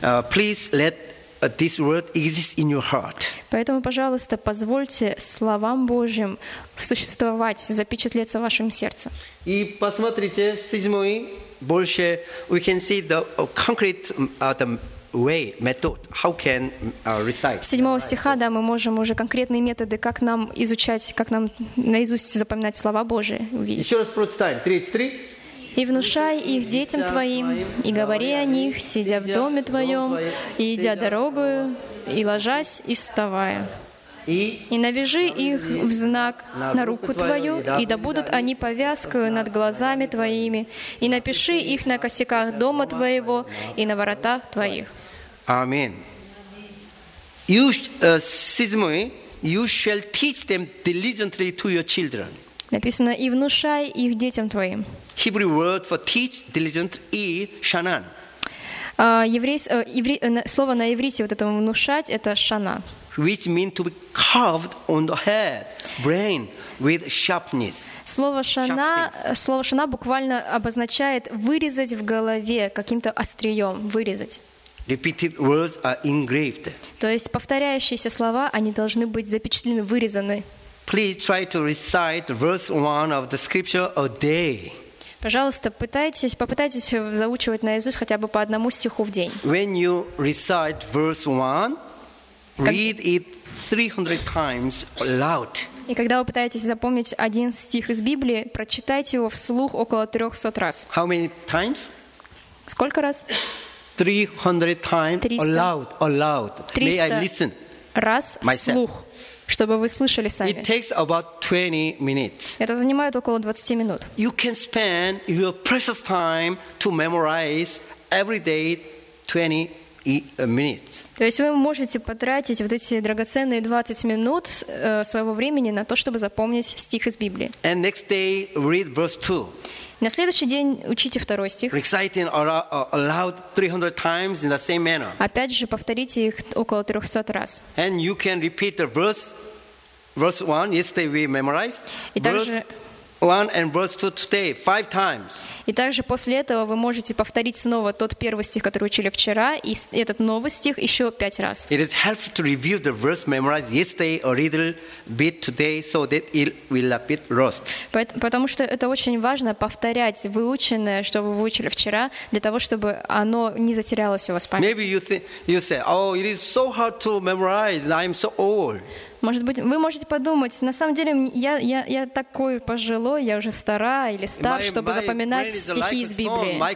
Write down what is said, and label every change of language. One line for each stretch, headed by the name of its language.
English: Please let this word exist in your heart.
Russian: Поэтому, пожалуйста, позвольте словам Божьим существовать, запечатлеться в вашем сердце. И посмотрите, седьмой, больше,
English: we can see the concrete the way, method, how can recite.
Russian: Седьмого стиха, да, мы можем уже конкретные методы, как нам изучать, как нам наизусть запоминать слова Божьи. Увидеть. Еще раз прочитаем, 33. И внушай их детям твоим, и говори о них, сидя в доме твоем, и идя дорогою, и ложась, и вставая. И навяжи их в знак на руку твою, и да будут они повязкою над глазами твоими, и напиши их на косяках дома твоего и на воротах твоих. Аминь.
English: Седьмой, you shall teach them diligently to your children.
Russian: Написано, и внушай их детям твоим.
English: Hebrew word for teach diligently is shanan.
Russian: Слово на иврите вот этому внушать это шана.
English: Which means to be carved on the head, brain with sharpness.
Russian: Слово шана буквально обозначает вырезать в голове каким-то острием, вырезать.
English: Repeated words are engraved.
Russian: То есть повторяющиеся слова, они должны быть запечатлены, вырезаны.
English: Please try to recite verse 1 of the scripture a day.
Russian: Пожалуйста, попытайтесь заучивать наизусть хотя бы по одному стиху в день.
English: When you recite verse 1, read it 300 times aloud.
Russian: И когда вы пытаетесь запомнить один стих из Библии, прочитайте его вслух около 300 раз.
English: How many times?
Russian: Сколько раз?
English: 300 times aloud. May I listen?
Russian: Раз вслух, чтобы вы слышали сами.
English: It takes about 20 minutes.
Russian: Это занимает около 20 минут.
English: You can spend your precious time to memorize every day 20 minutes.
Russian: То есть вы можете потратить вот эти драгоценные 20 минут своего времени на то, чтобы запомнить стих из Библии.
English: And next day read verse 2.
Russian: На следующий день учите второй стих.
English: Reciting aloud 300 times in the same manner.
Russian: Опять же, повторите их около 300 раз.
English: And you can repeat the verse 1 yesterday we memorized.
Russian: И также
English: one and verse 2 today 5 times.
Russian: И также после этого вы можете повторить снова тот первый стих, который учили вчера, и этот новый стих еще 5 раз.
English: It is helpful to review the verse memorized yesterday a little bit today so that it will a bit rust.
Russian: Потому что это очень важно повторять выученное, что вы выучили вчера, для того, чтобы оно не затерялось у вас в памяти.
English: Maybe you say, "Oh, it is so hard to memorize, I'm so old."
Russian: Может быть, вы можете подумать, на самом деле я такой пожилой, я уже стара или стар, чтобы запоминать стихи из Библии.